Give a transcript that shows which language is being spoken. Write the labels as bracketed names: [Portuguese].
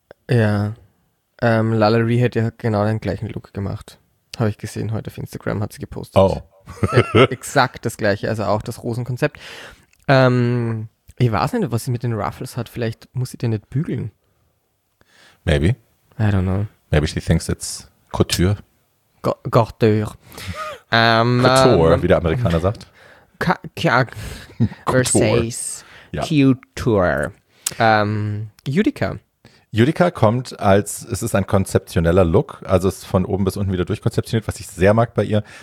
[German] Ja. Lallery hat ja genau den gleichen Look gemacht. Habe ich gesehen heute auf Instagram, hat sie gepostet. Oh. exakt das gleiche, also auch das Rosenkonzept. Ich weiß nicht, was sie mit den Ruffles hat. Vielleicht muss sie den nicht bügeln. [English] Maybe. I don't know. Maybe she thinks it's Couture. Couture. [German] Couture, wie der Amerikaner sagt. Versace. Couture. Utica. Utica kommt als, es ist ein konzeptioneller Look, also es ist von oben bis unten wieder durchkonzeptioniert, was ich sehr mag bei ihr.